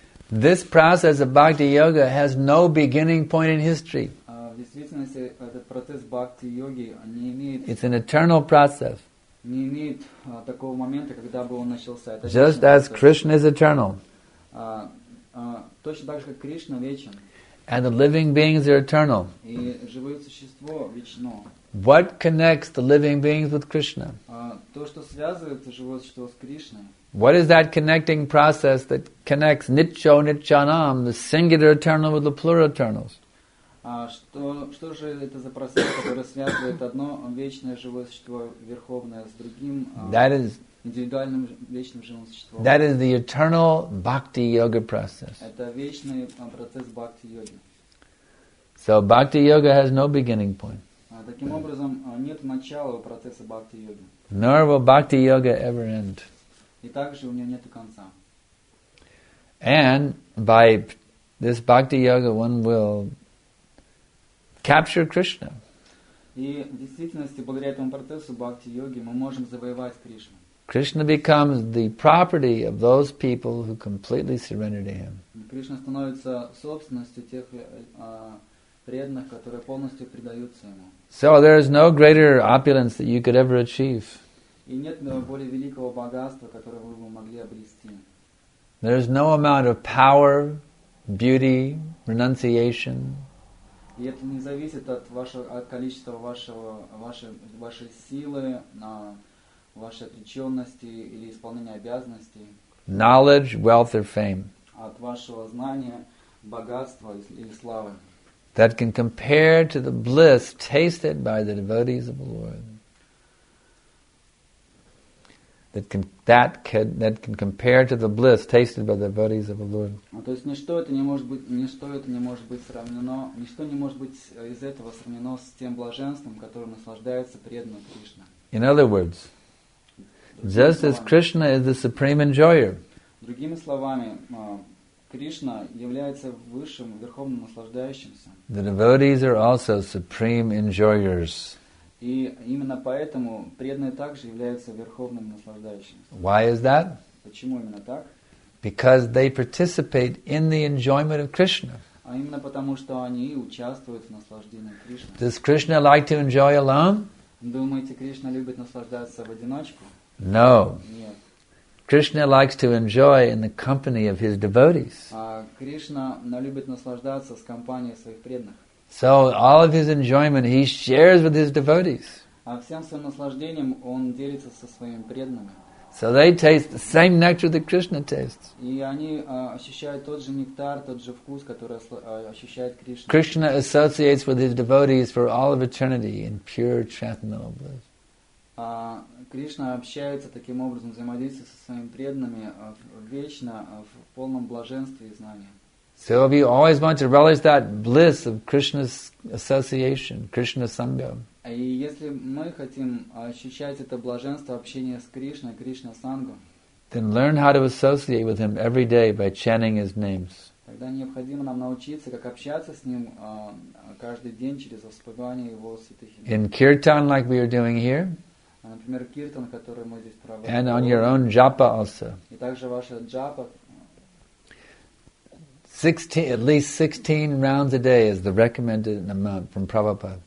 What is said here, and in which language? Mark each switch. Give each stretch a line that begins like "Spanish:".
English: This process of Bhakti Yoga has no beginning point in history.
Russian: В действительности этот процесс Бхакти Йоги не имеет.
English: It's an eternal process.
Russian: Не имеет такого момента, когда бы он начался.
English: Just as Krishna is eternal.
Russian: Точно так же, как Кришна вечен.
English: And the living beings are eternal.
Russian: И живое существо вечно.
English: What connects the living beings with Krishna?
Russian: То, что связывает живое существо с Кришной.
English: What is that connecting process that connects Nityo Nityanam, the singular eternal with the plural eternals?
Russian: Что же это за процесс, который связывает одно вечное живое существо верховное с другим? Индивидуальным вечным живым существом.
English: That is the eternal bhakti yoga process.
Russian: Это вечный процесс бхакти йоги.
English: So bhakti yoga has no beginning point.
Russian: Таким образом нет начала у процесса бхакти йоги.
English: Nor will bhakti yoga ever end.
Russian: И также у него нету конца.
English: And by this bhakti yoga, one will capture Krishna.
Russian: И в действительности, благодаря этому процессу бхакти йоги, мы можем завоевать Кришну.
English: Krishna becomes the property of those people who completely surrender to him.
Russian: Кришна становится собственностью тех преданных, которые полностью предаются ему.
English: So there is no greater opulence that you could ever achieve.
Russian: И нет более великого богатства, которое вы бы могли обрести.
English: There is no amount of power, beauty, renunciation.
Russian: И это не зависит от вашего от количества вашей силы на вашей отречённости или исполнения обязанностей.
English: Knowledge, wealth or fame.
Russian: От вашего знания, богатства или славы.
English: That can compare to the bliss tasted by the devotees of the Lord. That can compare to the bliss tasted by the devotees of the Lord.
Russian: То есть ничто не может быть из этого сравнено с тем блаженством, которым наслаждается преданный Кришна.
English: In other words, just as Krishna is the supreme enjoyer.
Russian: Другими словами, Кришна является высшим, верховным наслаждающимся.
English: The devotees are also supreme enjoyers.
Russian: И именно поэтому преданные также являются верховным наслаждающимся.
English: Why is that?
Russian: Почему именно так?
English: Because they participate in the enjoyment of Krishna.
Russian: А именно потому, что они участвуют в наслаждении Кришны.
English: Does Krishna like to enjoy alone?
Russian: Думаете, Кришна любит наслаждаться в одиночку?
English: No.
Russian: Нет.
English: Krishna likes to enjoy in the company of his devotees.
Russian: Кришна любит наслаждаться с компанией своих преданных.
English: So all of his enjoyment he shares with his devotees.
Russian: А всем своим наслаждением он делится со своими преданными.
English: So they taste the same nectar that Krishna tastes.
Russian: И они ощущают тот же нектар, тот же вкус, который ощущает Кришна.
English: Krishna associates with his devotees for all of eternity in pure transcendental bliss.
Russian: Кришна общается таким образом, взаимодействует со своими преданными вечно в полном блаженстве и знании.
English: So if you always want to relish that bliss of Krishna's association, Krishna Sangha.
Russian: И если мы хотим ощущать это блаженство общения с Кришной, Кришна Сангха.
English: Then learn how to associate with him every day by chanting his names.
Russian: Тогда необходимо нам научиться, как общаться с ним каждый день через воспевание его святых имен.
English: In kirtan, like we are doing here.
Russian: Например, киртан, который мы здесь проводим.
English: And on your own japa also.
Russian: И также ваша джапа.
English: At least 16 rounds a day is the recommended amount from Prabhupada.